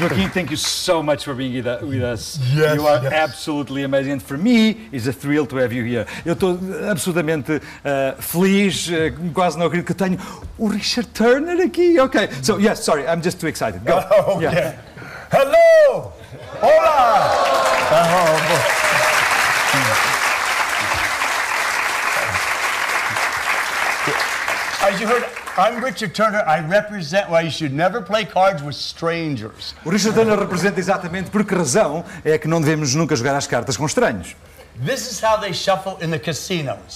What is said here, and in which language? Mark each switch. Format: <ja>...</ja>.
<en>Joaquim, thank you so much for being with us. Yes, you are yes. Absolutely amazing. And for me, it's a thrill to have you here.</en> <pt>Eu estou absolutamente feliz, quase não acredito que tenho o Richard Turner aqui.</pt> <en>Okay, so yes, sorry, I'm just too excited. Go. Yeah. Hello! Hola! As you heard, I'm Richard Turner. I represent why you should never play cards with strangers.</en> <pt>O Richard Turner representa exatamente por que razão é que não devemos nunca jogar às cartas com estranhos.</pt> <en>This is how they shuffle in the casinos.</en>